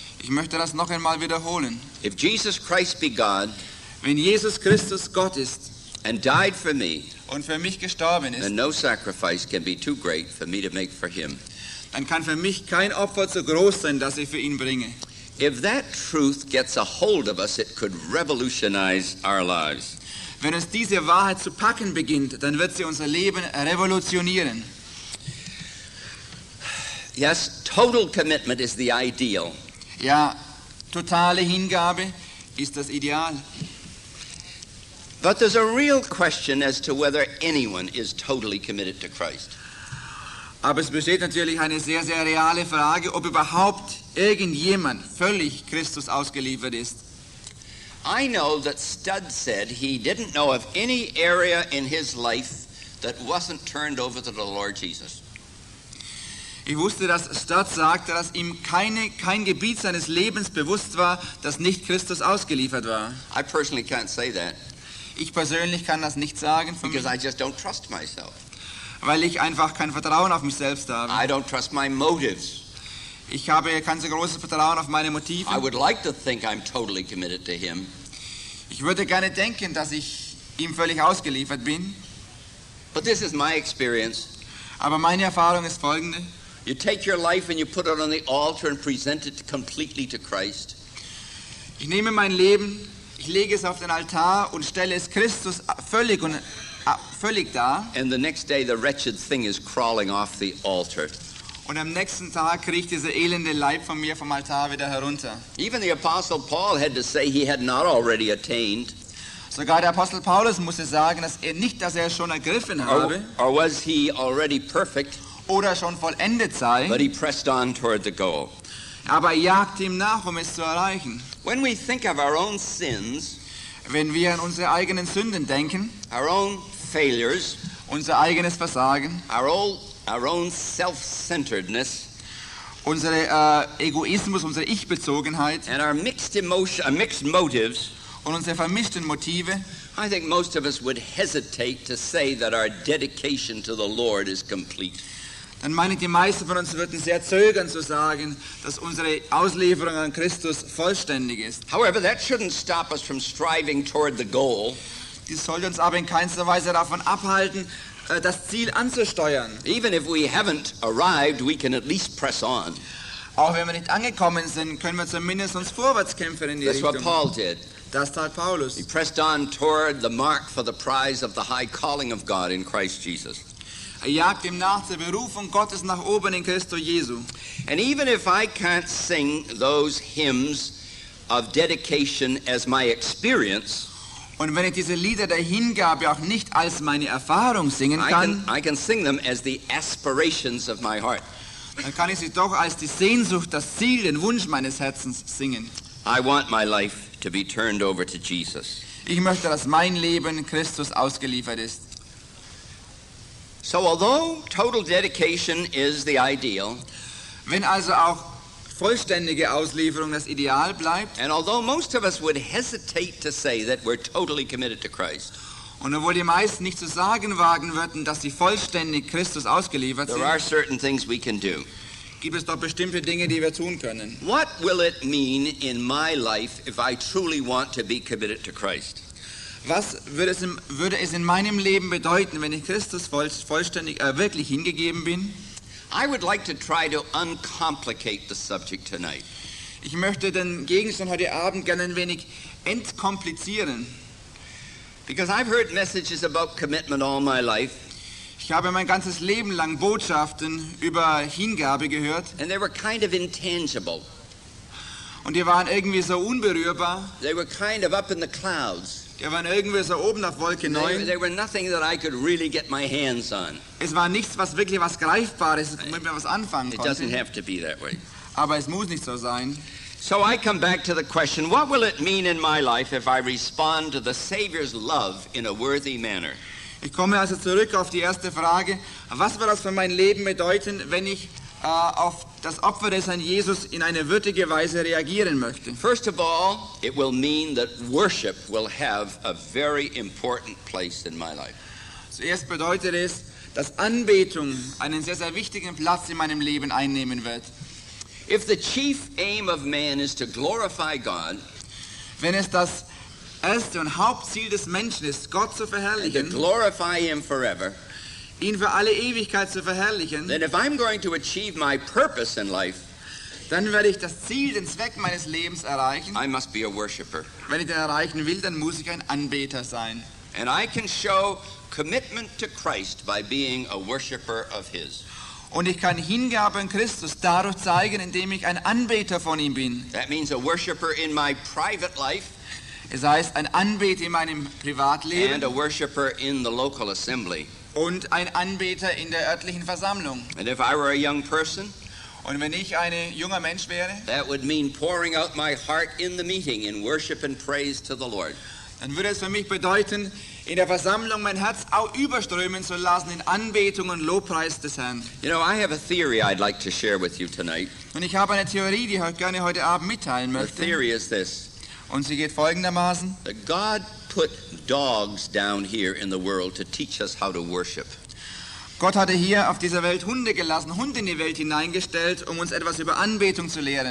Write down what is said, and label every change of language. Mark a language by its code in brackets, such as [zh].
[de] Ich möchte das noch einmal wiederholen. [en] If Jesus Christ be God. [de] Wenn Jesus Christus Gott ist. [en] And died for me. [de] Und für mich gestorben ist. [en] Then no sacrifice can be too great for me to make for him. [de] Dann kann für mich kein Opfer zu groß sein, das ich für ihn bringe. [en] If that truth gets a hold of us, it could revolutionize our lives. [de] Wenn es diese Wahrheit zu packen beginnt, dann wird sie unser Leben revolutionieren. [en] Yes, total commitment is the ideal. [de] Ja, totale Hingabe ist das Ideal. [en] But there's a real question as to whether anyone is totally committed to Christ. [de] Aber es besteht natürlich eine sehr, sehr reale Frage, ob überhaupt irgendjemand völlig Christus ausgeliefert ist. [en] I know that Studd said he didn't know of any area in his life that wasn't turned over to the Lord Jesus. [de] Ich wusste, dass Studd sagte, dass ihm kein Gebiet seines Lebens bewusst war, dass nicht Christus ausgeliefert war. [en] I personally can't say that. [de] Ich persönlich kann das nicht sagen. [en] Because I just don't trust myself. [de] Weil ich einfach kein Vertrauen auf mich selbst habe. [en] I don't trust my motives. [de] Ich habe kein so großes Vertrauen auf meine Motive. [en] I would like to think I'm totally committed to him. [de] Ich würde gerne denken, dass ich ihm völlig ausgeliefert bin. [en] But this is my experience. [de] Aber meine Erfahrung ist folgende. [en] You take your life and you put it on the altar and present it completely to Christ. [de] Ich nehme mein Leben, ich lege es auf den Altar und stelle es Christus völlig und völlig da. [en] And the next day the wretched thing is crawling off the altar. [de] Und am nächsten Tag kriecht dieser elende Leib von mir vom Altar wieder herunter. [en] Even the Apostle Paul had to say he had not already attained. [de] Sogar der Apostel Paulus musste sagen, dass er nicht, dass er es schon ergriffen habe. [en] Or was he already perfect? [de] Oder schon vollendet sei. [en] But he pressed on toward the goal. [de] Aber er jagte ihm nach, um es zu erreichen. [en] When we think of our own sins, [de] wenn wir an unsere eigenen Sünden denken, [en] our own failures, [de] unser eigenes Versagen, [en] our own self-centeredness, [de] unsere Egoismus, unsere Ich-Bezogenheit, [en] and our mixed emotion, mixed motives, [de] und unsere vermischten Motive, [en] I think most of us would hesitate to say that our dedication to the Lord is complete. [de] Dann meine ich, die meisten von uns würden sehr zögern zu sagen, dass unsere Auslieferung an Christus vollständig ist. [en] However, that shouldn't stop us from striving toward the goal. [de] Dies sollte uns aber in keinster Weise davon abhalten, das Ziel anzusteuern. [en] Even if we haven't arrived, we can at least press on. [de] Auch wenn wir nicht angekommen sind, können wir zumindest uns vorwärts kämpfen in die [en] That's [de] Richtung. [en] What Paul did. [de] Das tat Paulus. [en] He pressed on toward the mark for the prize of the high calling of God in Christ Jesus. [de] Er jagt ihm nach der Berufung Gottes nach oben in Christus Jesus. [en] And even if I can't sing those hymns of dedication as my experience, [de] und wenn ich diese Lieder der Hingabe auch nicht als meine Erfahrung singen kann, [en] I can sing them as the aspirations of my heart. [de] Dann kann ich sie doch als die Sehnsucht, das Ziel, den Wunsch meines Herzens singen. [en] I want my life to be turned over to Jesus. [de] Ich möchte, dass mein Leben Christus ausgeliefert ist. [en] So although total dedication is the ideal, [de] wenn also auch vollständige Auslieferung das Ideal bleibt, [en] and although most of us would hesitate to say that we're totally committed to Christ, [de] und obwohl die meisten nicht zu sagen wagen würden, dass sie vollständig Christus ausgeliefert sind, [en] there are certain things we can do. [de] Gibt es doch bestimmte Dinge, die wir tun können. [en] What will it mean in my life if I truly want to be committed to Christ? [de] Was würde es in meinem Leben bedeuten, wenn ich Christus vollständig wirklich hingegeben bin? [en] I would like to try to uncomplicate the subject tonight. [de] Ich möchte den Gegenstand heute Abend gerne ein wenig entkomplizieren. [en] Because I've heard messages about commitment all my life. [de] Ich habe mein ganzes Leben lang Botschaften über Hingabe gehört. [en] And they were kind of intangible. [de] Und die waren irgendwie so unberührbar. [en] They were kind of up in the clouds. [de] Die waren irgendwie so oben auf Wolke 9. [en] They were nothing that I could really get my hands on. [de] Es war nichts, was wirklich was Greifbares, womit man was anfangen konnte. [en] It doesn't have to be that way. [de] Aber es muss nicht so sein. [en] So I come back to the question, what will it mean in my life if I respond to the Savior's love in a worthy manner? [de] Ich komme also zurück auf die erste Frage, was wird das für mein Leben bedeuten, wenn ich auf das Opfer des Herrn Jesus in eine würdige Weise reagieren möchte? [en] First of all, it will mean that worship will have a very important place in my life. [de] Zuerst bedeutet es, dass Anbetung einen sehr, sehr wichtigen Platz in meinem Leben einnehmen wird. [en] If the chief aim of man is to glorify God, [de] wenn es das erste und Hauptziel des Menschen ist, Gott zu verherrlichen, [en] and to glorify him forever, [de] ihn für alle Ewigkeit zu verherrlichen, [en] then if I'm going to achieve my purpose in life, [de] dann werde ich das Ziel, den Zweck meines Lebens erreichen. [en] I must be a worshipper. [de] Wenn ich den erreichen will, dann muss ich ein Anbeter sein. [en] And I can show commitment to Christ by being a worshipper of his. [de] Und ich kann Hingabe an Christus dadurch zeigen, indem ich ein Anbeter von ihm bin. [en] That means a worshipper in my private life. [de] Es heißt ein Anbeter in meinem Privatleben. [en] And a worshipper in the local assembly. [de] Und ein Anbeter in der örtlichen Versammlung. [en] And if I were a young person, [de] und wenn ich ein junger Mensch wäre, [en] that would mean pouring out my heart in the meeting in worship and praise to the Lord. [de] Dann würde es für mich bedeuten, in der Versammlung mein Herz auch überströmen zu lassen in Anbetung und Lobpreis des Herrn. [en] You know, I have a theory I'd like to share with you tonight. [de] Und ich habe eine Theorie, die ich gerne heute Abend mitteilen möchte. [en] The theory is this. [de] Und sie geht folgendermaßen. [en] That God put dogs down here in the world to teach us how to worship. [de] Gott hatte hier auf dieser Welt Hunde gelassen, Hunde in die Welt hineingestellt, um uns etwas über Anbetung zu lehren.